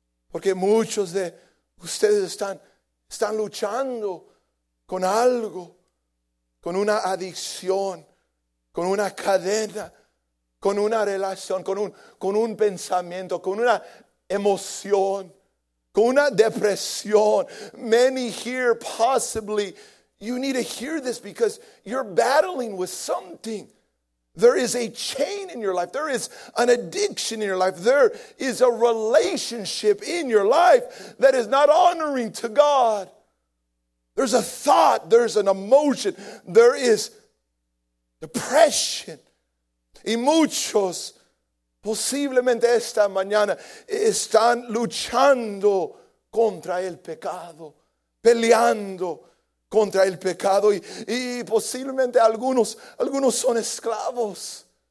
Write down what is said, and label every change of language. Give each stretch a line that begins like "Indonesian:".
Spanish: Porque muchos de ustedes están luchando con algo, con una adicción, con una cadena, con una relación, con un pensamiento, con una emoción, con una depresión.
English: Many here, possibly, you need to hear this because you're battling with something. There is a chain in your life. There is an addiction in your life. There is a relationship in your life that is not honoring to God. There's a thought, there's an emotion, there is depression.
Spanish: Y muchos, posiblemente esta mañana, están luchando contra el pecado, peleando contra el pecado. Y posiblemente algunos son esclavos.